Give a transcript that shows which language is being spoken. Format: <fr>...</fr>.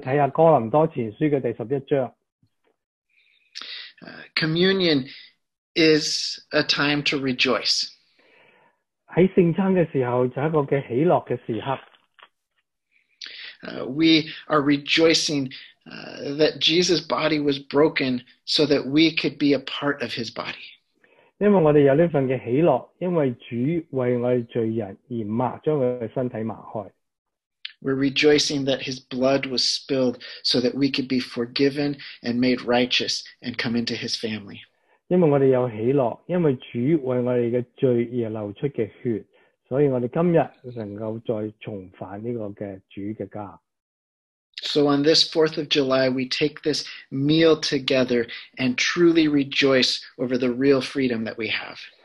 <zh>如果大家未预备好有这个饼和杯的时候,请大家去预备,我们一起来看看哥林多前书的第11章。</zh> <en>Communion is a time to rejoice.</en> <zh>在圣餐的时候,就是一个喜乐的时刻。</zh> <en>We are rejoicing that Jesus' body was broken so that we could be a part of his body.</en> <zh>因为我们有这份的喜乐,因为主为我们罪人而抹,将我们的身体抹开。</zh> <en>We're rejoicing that his blood was spilled so that we could be forgiven and made righteous and come into his family.</en> <zh>因为我们有喜乐,因为主为我们的罪而流出的血。所以我们今天能够再重返这个主的家。</zh> <en>So on this 4th of July, we take this meal together and truly rejoice over the real freedom that we have.</en>